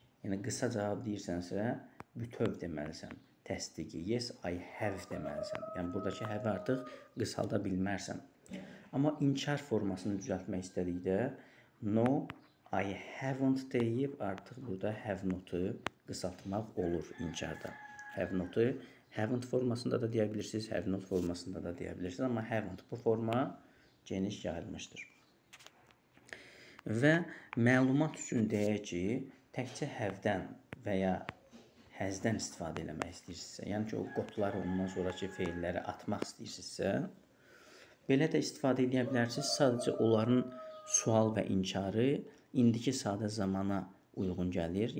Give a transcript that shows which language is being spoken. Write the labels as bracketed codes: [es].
[az] Yəni, qısa cavab deyirsənsə, bütöv deməlisən, təsdiqi. [en] Yes, I have [az] deməlisən. Yəni, buradakı have-i artıq qısalda bilmərsən. Amma inkar formasını düzəltmək istədikdə, [en] no, I haven't [az] deyib, artıq burada have notu qısaltmaq olur inkarda. Have notu haven't formasında da deyə bilirsiniz, have not formasında da deyə bilirsiniz. Amma haven't bu forma geniş yayılmışdır. Və məlumat üçün deyək ki, təkcə have-dən və ya has-dən istifadə eləmək istəyirsinizsə, yəni ki, o qotlar ondan sonraki feilləri atmaq istəyirsinizsə, belə də istifadə edə bilərsiniz, sadəcə onların sual və inkarı indiki sadə zamana uyğun gəlir.